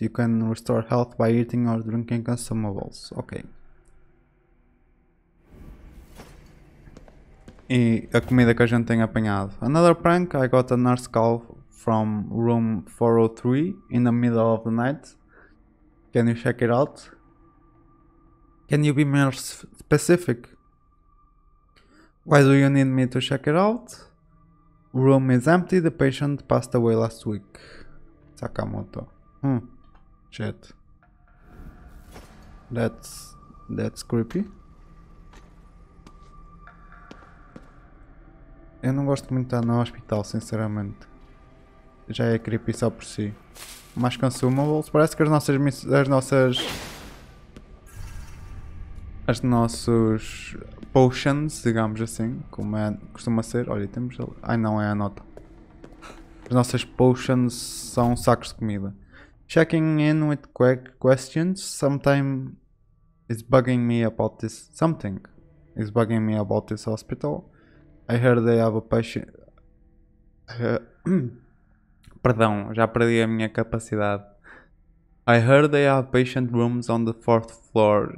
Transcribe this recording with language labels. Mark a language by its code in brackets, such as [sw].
[en] You can restore health by eating or drinking consumables. Ok. [pt] E a comida que a gente tem apanhado. [en] Another prank. I got a nurse call from room 403 in the middle of the night. Can you check it out? Can you be more specific? Why do you need me to check it out? Room is empty. The patient passed away last week. Sakamoto. Shit. That's creepy. [pt] Eu não gosto muito de estar no hospital, sinceramente. Já é creepy só por si. Mais consumables, parece que as nossas potions, digamos assim, como é, costuma ser, olha, temos ali, ai não, é a nota. As nossas potions são sacos de comida. [en] Checking in with quick questions, something is bugging me about this hospital. I heard they have a patient. [pt] Perdão, já perdi a minha capacidade. [en] I heard they have patient rooms on the fourth floor.